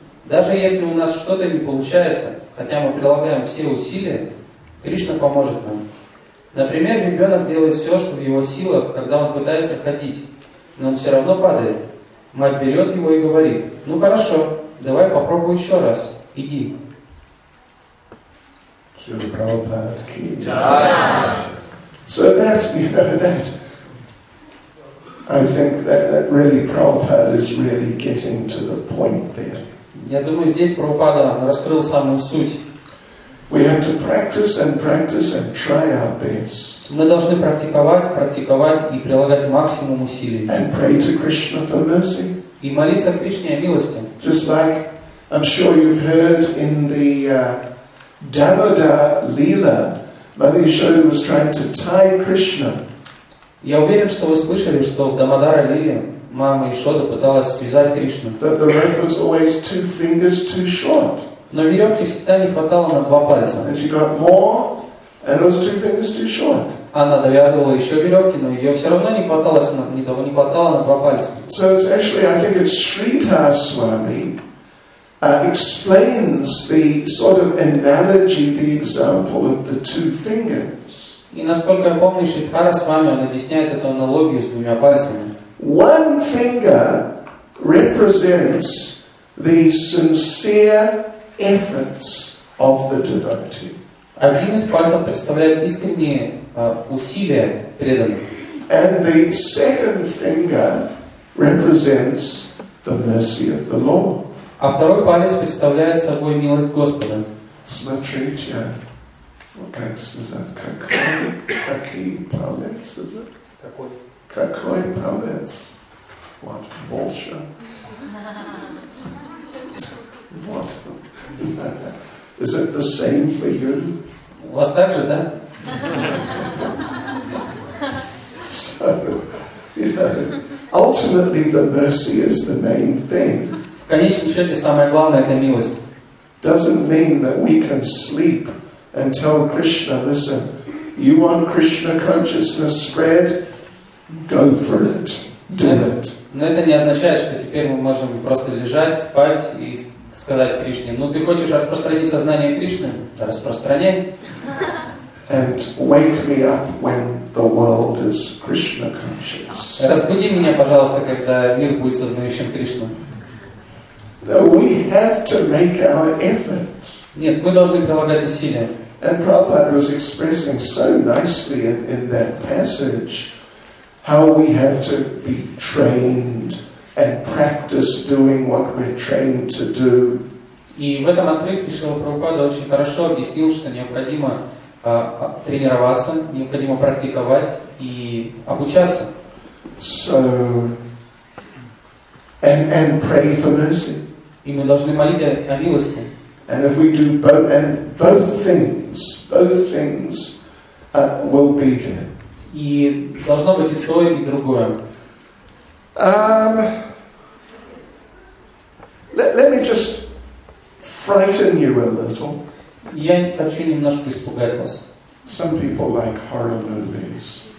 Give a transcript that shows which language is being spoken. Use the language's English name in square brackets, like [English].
[Russian] Даже если у нас что-то не получается, хотя мы прилагаем все усилия, Кришна поможет нам. Например, ребенок делает все, что в его силах, когда он пытается ходить, но он все равно падает. Мать берет его и говорит: «Ну хорошо, давай попробуй еще раз. Иди». [English] So that's, you know, that, I think that really Prabhupada is really getting to the point there. [Russian] Я думаю, здесь Прабхупада раскрыл самую суть. [English] We have to practice and practice and try our best. [Russian] Мы должны практиковать, практиковать и прилагать максимум усилий. [English] And pray to Krishna for mercy. [Russian] И молиться Кришне о милости. [English] Just like I'm sure you've heard in the Damodar Leela, Mother Yashoda was trying to tie Krishna. [Russian] Я уверен, что вы слышали, что в Дамодара Лиле мама Ишода пыталась связать Кришну. [English] But the rope was always two fingers too short. [Russian] Но веревки всегда не хватало на два пальца. [English] And she got more, and it was two fingers too short. [Russian] Она довязывала еще веревки, но ее все равно не хватало, не хватало на два пальца. [English] So it's actually, I think it's Sridhar Swami explains the sort of analogy, the example of the two fingers. [Russian] И насколько я помню, Шридхара Свами, он объясняет эту аналогию с двумя пальцами. [English] One finger represents the sincere efforts of the devotee. [Russian] Один из пальцев представляет искренние усилия преданных. [English] And the second finger represents the mercy of the Lord. [Russian] А второй палец представляет собой милость Господа. Смотрите, как сказать, какой палец, какой палец, вот больше, вот, [English] is it the same for you? [Russian] У вас так же, да? [English] So, you know, ultimately the mercy is the main thing. [Russian] В конечном счете, самое главное — это милость. [English] Doesn't mean that we can sleep and tell Krishna, listen, you want Krishna consciousness spread, go for it, do it. [Russian] Но это не означает, что теперь мы можем просто лежать, спать и сказать Кришне: ну ты хочешь распространить сознание Кришны? Да распространяй. [English] And wake me up when the world is Krishna conscious. [Russian] Разбуди меня, пожалуйста, когда мир будет сознающим Кришну. [English] We have to make our effort. [Russian] Нет, мы должны прилагать усилия. [English] And Prabhupada was expressing so nicely in that passage how we have to be trained and practice doing what we're trained to do. [Russian] И в этом отрывке Шрила Прабхупада очень хорошо объяснил, что необходимо тренироваться, необходимо практиковать и обучаться. [English] So, and pray for mercy. [Russian] И мы должны молить о милости. [English] And if we do both things will be there. [Russian] И должно быть и то, и другое. [English] Let me just frighten you a little. [Russian] Я хочу немножко испугать вас. [English] Some people like horror movies.